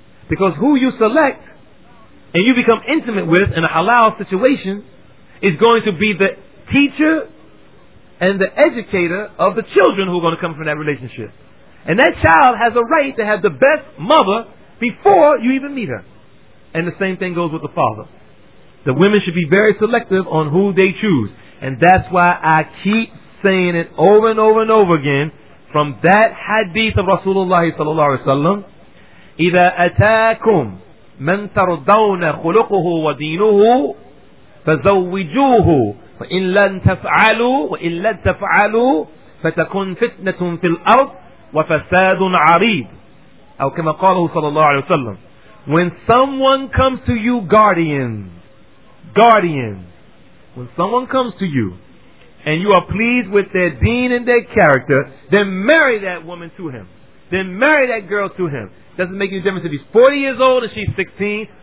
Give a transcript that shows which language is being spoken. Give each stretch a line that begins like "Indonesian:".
English: Because who you select and you become intimate with in a halal situation is going to be the teacher and the educator of the children who are going to come from that relationship. And that child has a right to have the best mother before you even meet her. And the same thing goes with the father. The women should be very selective on who they choose. And that's why I keep saying it over and over and over again from that hadith of Rasulullah sallallahu alaihi wasallam:
Arabic: إِذَا أَتَاكُمْ مَنْ تَرْضَوْنَ خُلُقُهُ وَدِينُهُ فَزَوِّجُوهُ وَإِنْ لَنْ تَفْعَلُوا وَإِنْ لَنْ تَفْعَلُوا فَتَكُنْ فِتْنَةٌ فِي الْأَرْضِ وَفَسَادٌ عَرِيدٌ أو كما قاله صلى الله عليه وسلم.
English: When someone comes to you, guardians, when someone comes to you and you are pleased with their deen and their character, then marry that woman to him. Then marry that girl to him. Doesn't make any difference if he's 40 years old and she's 16.